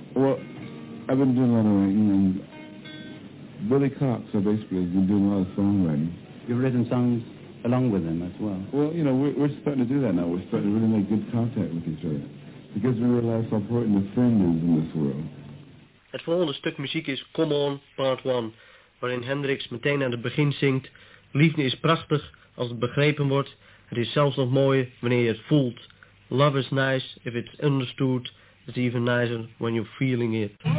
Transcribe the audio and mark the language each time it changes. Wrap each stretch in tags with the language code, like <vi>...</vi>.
<en>Well, I've been doing a lot of writing, and Billy Cox, our bass player, has been doing a lot of songwriting. You've written songs along with him as well? Well, you know, we're starting to do that now. We're starting to really make good contact with each other because we realize how important a friend is in this world.</en> <nl>Het volgende stuk muziek is Come On, Part 1, waarin Hendrix meteen aan het begin zingt: liefde is prachtig als het begrepen wordt. Het is zelfs nog mooier wanneer je het voelt.</nl> <en>Love is nice if it's understood. It's even nicer when you're feeling it.</en>